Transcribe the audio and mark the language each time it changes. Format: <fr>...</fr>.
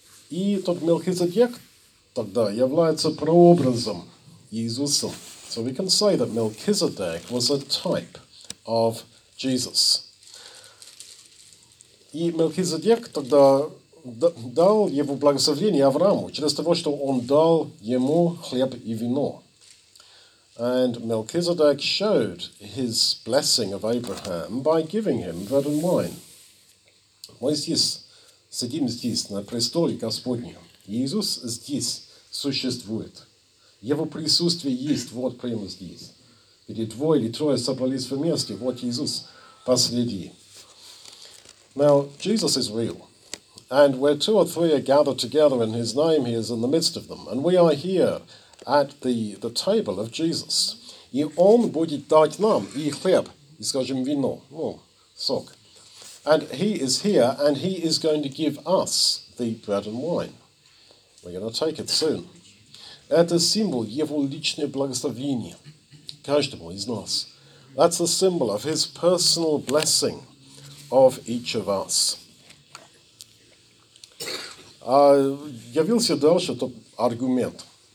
<ru>И тот Мелхизедек тогда является прообразом Иисуса.</ru> <en>So we can say that Melchizedek was a type of Jesus.</en> <ru>И Мелхизедек тогда дал его благословение Аврааму через того, что он дал ему хлеб и вино.</ru> <en>And Melchizedek showed his blessing of Abraham by giving him bread and wine.</en> <ru>Мы здесь, сидим здесь, на престоле Господнем. Иисус здесь существует. Его присутствие есть вот прямо здесь. Где двое или трое собрались вместе, вот Иисус посреди.</ru> <en>Now, Jesus is real. And where two or three are gathered together in his name, he is in the midst of them. And we are here at the table of Jesus.</en> <ru>И он будет дать нам и хлеб, и скажем вино, ну, сок.</ru> <en>And he is here, and he is going to give us the bread and wine. We're going to take it soon.</en> <ru>Это символ его личного благословения каждому из нас.</ru> <en>That's the symbol of his personal blessing of each of us.</en> <ru>Явился дальше тот аргумент.</ru>